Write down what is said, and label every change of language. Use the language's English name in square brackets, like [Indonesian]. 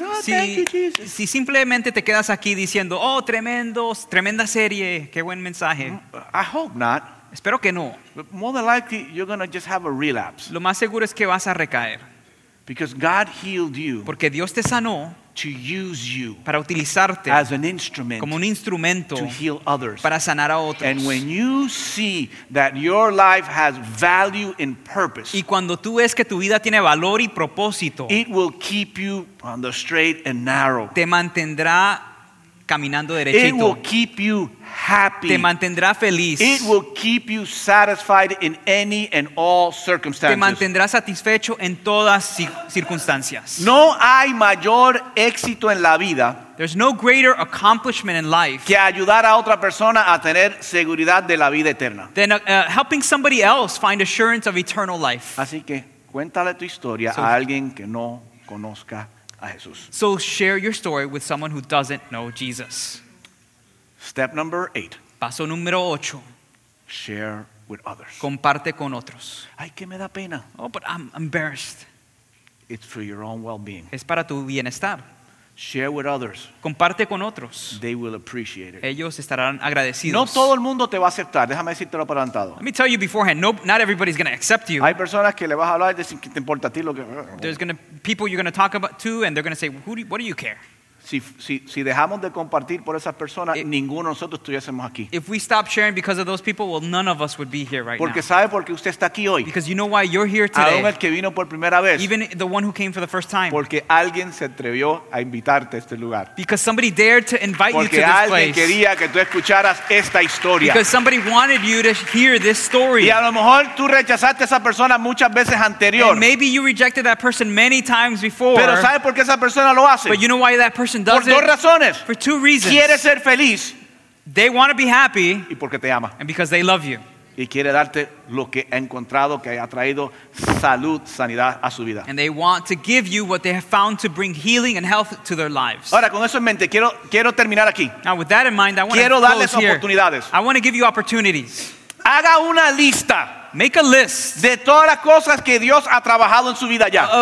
[English] Oh, si, thank you, Jesus. [Spanish] Si simplemente te quedas aquí diciendo, oh, tremendo, tremenda serie, qué buen mensaje. [English] I hope not. [Spanish] Espero que no. [English] But more than likely, you're going to just have a relapse. [Spanish] Lo más seguro es que vas a recaer. [English] Because God healed you. [Spanish] Porque Dios te sanó. [English] To use you [Spanish] para utilizarte [English] as an instrument [Spanish] como un instrumento [English] to heal others. [Spanish] Para sanar a otros. [English] And when you see that your life has value and purpose, [Spanish] y cuando tú ves que tu vida tiene valor y propósito, [English] it will keep you on the straight and narrow. [Spanish] Te mantendrá caminando derechito. [English] It will keep you happy. [Spanish] Te mantendrá feliz. [English] It will keep you satisfied in any and all circumstances. [Spanish] Te mantendrá satisfecho en todas circunstancias. No hay mayor éxito en la vida. [English] There's no greater accomplishment in life. [Spanish] Que ayudar a otra persona a tener seguridad de la vida eterna. [English] Than helping somebody else find assurance of eternal life. [Spanish] Así que cuéntale tu historia a alguien que no conozca a Jesús. [English] So share your story with someone who doesn't know Jesus. Step number 8. [Spanish] Paso número 8. [English] Share with others. [Spanish] Comparte con otros. Ay, que me da pena. [English] Oh, but I'm embarrassed. It's for your own well-being. [Spanish] Es para tu bienestar. [English] Share with others. [Spanish] Comparte con otros. [English] They will appreciate it. [Spanish] Ellos estarán agradecidos. No todo el mundo te va a aceptar. Déjame decirte lo por adelantado. [English] Let me tell you beforehand. No, not everybody's going to accept you. [Spanish] Hay personas que le vas a hablar y dicen que te importa a ti lo que. [English] There's going to people you're going to talk about to, and they're going to say, what do you care? [Spanish] Si dejamos de compartir por esas personas, ninguno de nosotros estuviésemos aquí. [English] If we stop sharing because of those people, well, none of us would be here right [Spanish] porque Porque sabe por qué usted está aquí hoy. [English] Because you know why you're here today. [Spanish] Aún el que vino por primera vez. [English] Even the one who came for the first time. [Spanish] Porque alguien se atrevió a invitarte a este lugar. [English] Because somebody dared to invite [Spanish] porque [English] you to this place. [Spanish] Porque alguien quería que tú escucharas esta historia. [English] Because somebody wanted you to hear this story. [Spanish] Y a lo mejor tú rechazaste a esa persona muchas veces anterior. [English] And maybe you rejected that person many times before. [Spanish] Pero sabe por qué esa persona lo hace. [English] But you know why that person [Spanish] Por dos razones. [English] For two reasons. [Spanish] Quiere ser feliz. [English] They want to be happy. [Spanish] Y porque te ama. [English] And because they love you. [Spanish] Y quiere darte lo que ha encontrado que ha traído salud, sanidad a su vida. [English] And they want to give you what they have found to bring healing and health to their lives. [Spanish] Ahora con eso en mente quiero terminar aquí. [English] Now with that in mind, I want [Spanish] quiero [English] to close [Spanish] darles [English] here. [Spanish] Oportunidades. [English] I want to give you opportunities. [Spanish] Haga una lista. [English] Make a list [Spanish] de todas las cosas que Dios ha trabajado en su vida ya.